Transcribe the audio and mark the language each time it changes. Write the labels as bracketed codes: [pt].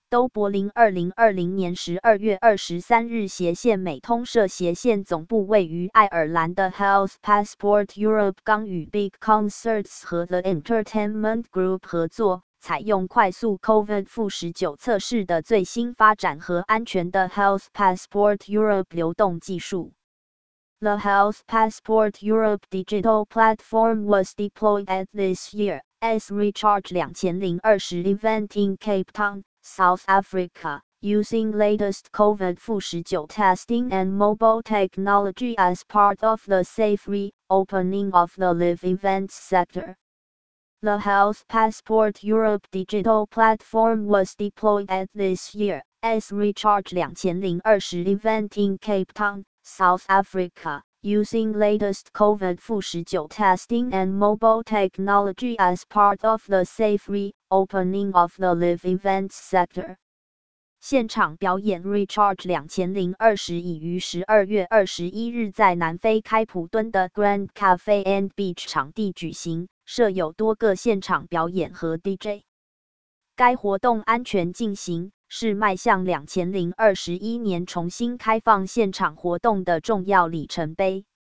[zh] 都柏林2020年12月23日/美通社/总部位于爱尔兰的 Health Passport Europe 刚与 Big Concerts 和 The Entertainment Group 合作，采用快速 COVID-19 测试的最新发展和安全的 Health Passport Europe 流动技术。 [en] The Health Passport Europe Digital Platform was deployed at this year's Recharge 2020 event in Cape Town, South Africa, using latest COVID-19 testing and mobile technology as part of the safe reopening of the live events sector. The Health Passport Europe Digital Platform was deployed at this year's Recharge 2020 event in Cape Town. South Africa, using latest COVID-19 testing and mobile technology as part of the safe reopening of the live events sector. [zh] 现场表演 Recharge 2020已于12月21日在南非开普敦的 Grand Cafe and Beach 场地举行，设有多个现场表演和 DJ。该活动安全进行，是迈向2021年重新开放现场活动的重要里程碑。